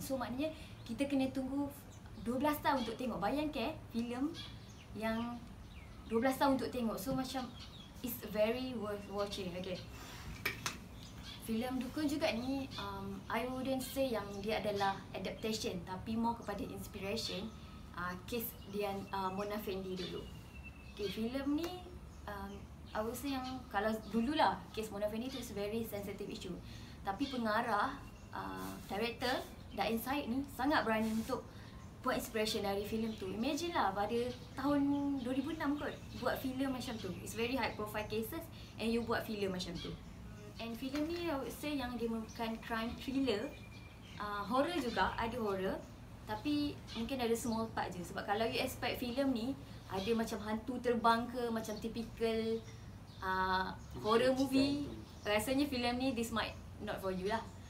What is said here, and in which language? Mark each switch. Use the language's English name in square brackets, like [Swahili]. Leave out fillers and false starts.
[Malay] So maknanya kita kena tunggu 12 tahun untuk tengok. Bayangkan filem yang 12 tahun untuk tengok. [English] So macam it's very worth watching. [Malay] Okay, filem dukun juga ni [English] I wouldn't say [Malay] yang dia adalah adaptation, tapi more kepada inspiration kes dia Mona Fendi dulu. Okay, filem ni [English] I would say [Malay] yang kalau dululah kes Mona Fendi tu [English] is very sensitive issue. [Malay] Tapi pengarah, director Dain Said ni sangat berani untuk buat inspiration dari filem tu. Imagine lah pada tahun 2006 kot buat filem macam tu. [English] It's very high profile cases and you [Malay] buat filem macam tu. And filem ni [English] I would say [Malay] yang dia merupakan [English] crime thriller, [Malay] horror juga, ada horror. Tapi mungkin ada [English] small part [Malay] je, sebab kalau you expect filem ni ada macam hantu terbang ke, macam typical horror movie, rasanya filem ni [English] this might not for you [Malay] lah.